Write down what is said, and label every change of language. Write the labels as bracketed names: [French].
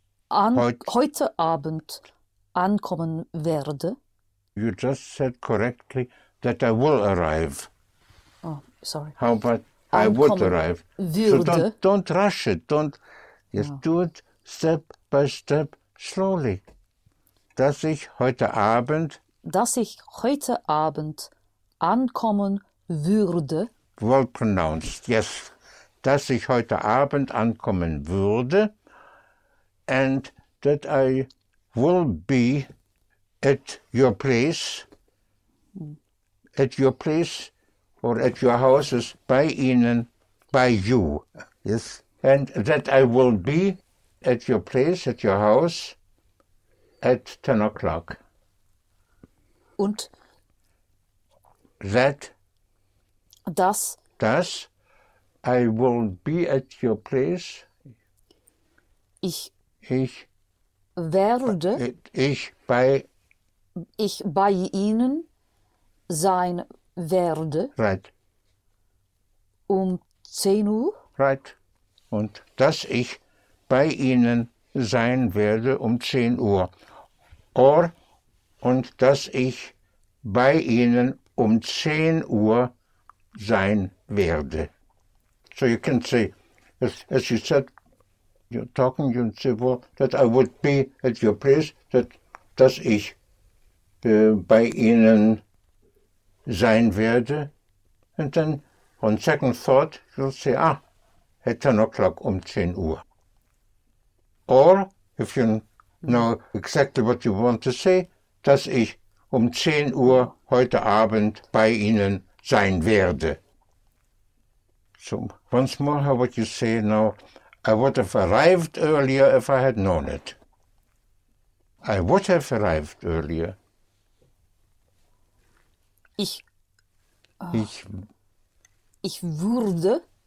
[German] heute Abend ankommen werde. [English] You just said correctly that I will arrive. Oh, sorry. How about I would arrive? [German] Würde. [English] So don't rush it. Don't just do it step by step slowly. [German] Dass ich heute Abend ankommen würde. [English] Well pronounced, yes. [German] Dass ich heute Abend ankommen würde. [English] And that I will be at your place. At your place or at your houses by Ihnen, by you. Yes. And that I will be at your place, at your house, at 10 o'clock. [German] Und? [English] That? [German] Das? [English] Das? I will be at your place. [German] Ich bei Ihnen sein werde. [English] Right. [German] Um 10 Uhr. [English] Right. [German] Und dass ich bei Ihnen sein werde um 10 Uhr. Und dass ich bei Ihnen um 10 Uhr sein werde. [English] So you can say, as you said, you're talking, you say, well, that I would be at your place, [German] dass ich bei Ihnen sein werde [English] And then, on second thought, you'll say, ah, at 10 o'clock, [German] um 10 Uhr. [English] Or, if you know exactly what you want to say, [German] dass ich um 10 Uhr heute Abend bei Ihnen sein werde. [English] So, once more, how would you say now? I would have arrived earlier if I had known it. I would have arrived earlier. [German] Ich würde.